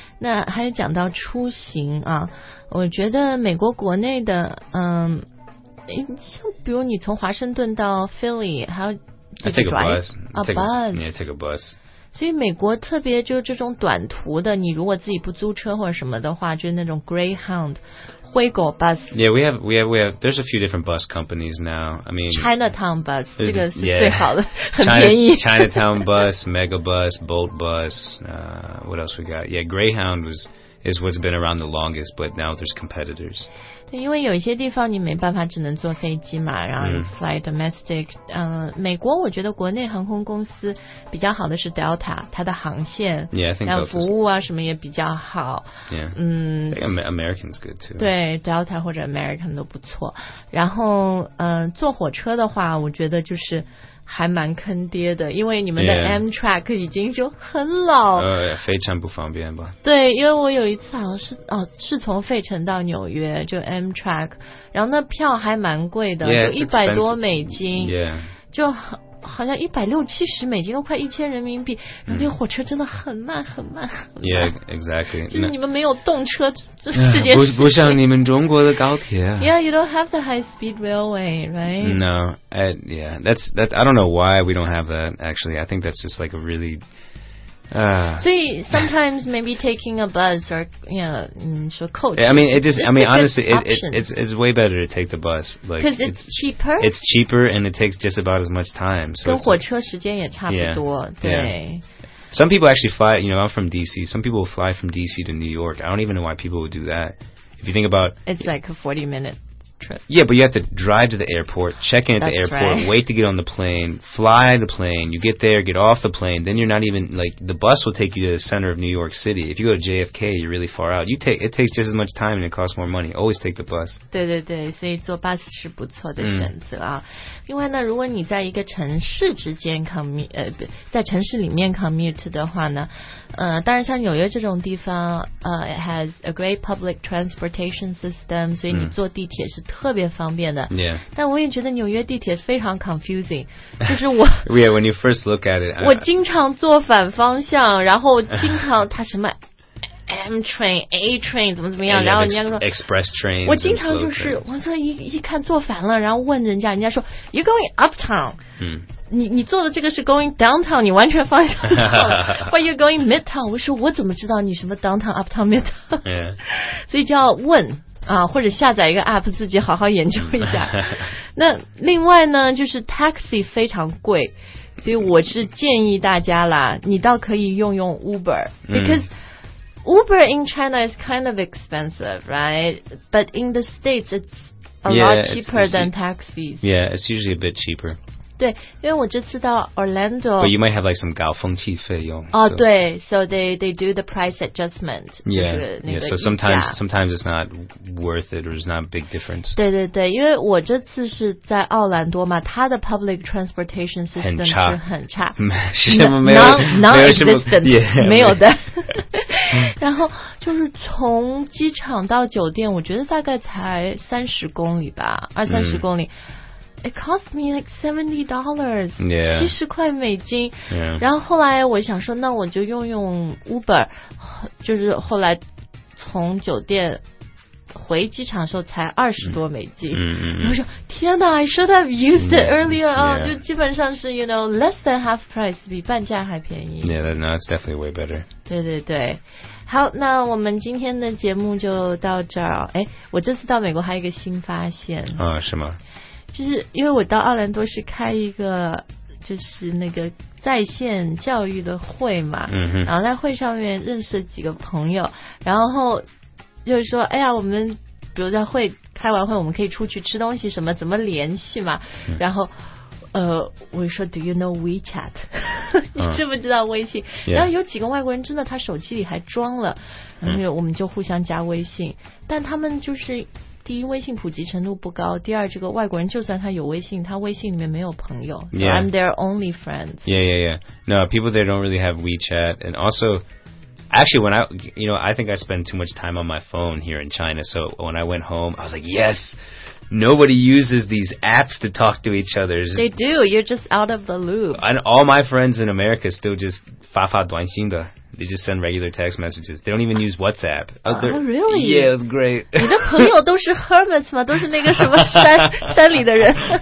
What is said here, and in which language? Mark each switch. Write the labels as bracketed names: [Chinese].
[Chinese] 那还讲到出行啊，我觉得美国国内的像比如你从华盛顿到 Philly, 还有 [English] take a bus. [Chinese] 所以美国特别就是这种短途的，你如果自己不租车或者什么的话，就是那种 Greyhound。灰狗 bus. [English] Yeah, we have. There's a few different bus companies now. I mean, Chinatown bus. [Chinese] 这个是 [English] yeah, [Chinese] 最好的，很便宜。 [English] Chinatown bus, Mega bus, Bolt bus. What else we got? Yeah, Greyhound is what's been around the longest, but now there's competitors. [Chinese] 对，因为有一些地方你没办法，只能坐飞机嘛，然后 [English] fly domestic. [Chinese] 美国我觉得国内航空公司比较好的是 Delta, 它的航线， [English] yeah, I think [Chinese] 然后服务啊什么也比较好。 [English] Yeah. American's good too. [Chinese] 对 ，Delta 或者 American 都不错。然后，坐火车的话，我觉得就是。还蛮坑爹的，因为你们的 Amtrak 已经就很老，非常不方便吧？对，因为我有一次好像是是从费城到纽约就 Amtrak, 然后那票还蛮贵的，有$100多， yeah. 就好像160-170美金，都快1000人民币。然后那火车真的很慢很慢很慢。 Yeah, exactly. 就是你们没有动车这件事情。不像你们中国的高铁。 [English] Yeah, you don't have the high speed railway, right? No, that's I don't know why we don't have that. Actually, I think that's just like a really. So sometimes maybe taking a bus or so coach. Yeah, I mean, it's way better to take the bus. Like, because it's cheaper. It's cheaper and it takes just about as much time. So [Chinese] 跟火车时间也差不多。 [English] Yeah, [Chinese] 对。 [English] Yeah. Some people actually fly. You know, I'm from DC. Some people fly from DC to New York. I don't even know why people would do that. If you think about, it's like a 40-minute trip. Yeah, but you have to drive to the airport, check in at That's the airport, right. wait to get on the plane, fly the plane, you get there, get off the plane, then you're not even, like, the bus will take you to the center of New York City. If you go to JFK, you're really far out. It takes just as much time and it costs more money. Always take the bus. [Chinese] 对对对，所以坐 bus 是不错的选择啊。另外呢，如果你在一个城市之间 在城市里面 commute 的话呢，当然像纽约这种地方， [English] it has a great public transportation system, [Chinese] 所以你坐地铁是特别方便的。 [English] Yeah. [Chinese] 但我也觉得纽约地铁非常 confusing, 就是我。 [English] Yeah, when you first look at it. [Chinese] 我经常坐反方向，然后经常它什么 M train A train 怎么怎么样，然后人家说 [English] Express train， [Chinese] 我经常就是我说一看坐反了，然后问人家，人家说 [English] You going uptown、 [Chinese] 嗯、你坐的这个是 going downtown， 你完全方向错了。 [English] Or you going midtown， [Chinese] 我说我怎么知道你什么 downtown uptown midtown、 [English] yeah. [Chinese] 所以就要问啊，或者下载一个 app 自己好好研究一下。那另外呢，就是 taxi 非常贵，所以我是建议大家啦，你倒可以用 Uber、嗯、 [English] because Uber in China is kind of expensive, right? But in the States, it's a yeah, lot cheaper than taxis. Yeah, it's usually a bit cheaper. [Chinese] 对，因为我这次到 Orlando. [English] But you might have like some [Chinese] 高峰期费用。哦，对， [English] so they do the price adjustment. Yeah, yeah. So sometimes it's not worth it, or it's not a big difference. [Chinese] 对对对，因为我这次是在奥兰多嘛，它的 public transportation system 很差，是很差，是什么没有 non-existent， 没有的。 [English] yeah, [Chinese] 然后就是从机场到酒店，我觉得大概才30公里吧，二三十公里。 [English] It cost me like $70, [Chinese] 70块美金。 [English] Yeah. [Chinese] 然后后来我想说，那我就用 Uber， 就是后来从酒店回机场的时候才20多美金。嗯、我说天哪 ， [English] I should have used it earlier [Chinese] 啊、就基本上是 [English] you know less than half price， [Chinese] 比半价还便宜。 [English] Yeah, no, it's definitely way better. [Chinese] 对对对。好，那我们今天的节目就到这儿。哎，我这次到美国还有一个新发现。啊、是吗？就是因为我到奥兰多是开一个就是那个在线教育的会嘛，嗯，然后在会上面认识了几个朋友，然后就是说哎呀，我们比如在会开完会我们可以出去吃东西什么，怎么联系嘛，然后我说 [English] Do you know WeChat？ [Chinese] 你知不知道微信、 yeah. 然后有几个外国人真的他手机里还装了，然后我们就互相加微信、嗯、但他们就是第一微信普及程度不高，第二这个外国人就算他有微信他微信里面没有朋友、 [English] yeah. So I'm their only friend. Yeah, yeah, yeah. No, people there don't really have WeChat. And also actually when I, you know, I think I spend too much time on my phone here in China. So when I went home I was like, yes, nobody uses these apps to talk to each other. They do, you're just out of the loop. And all my friends in America still just [Chinese] 发发短信的。 [English] They just send regular text messages. They don't even use WhatsApp. Oh, really? Yeah, it was great. [Chinese] 你的朋友都是 hermits 吗？都是那个什么山里的人。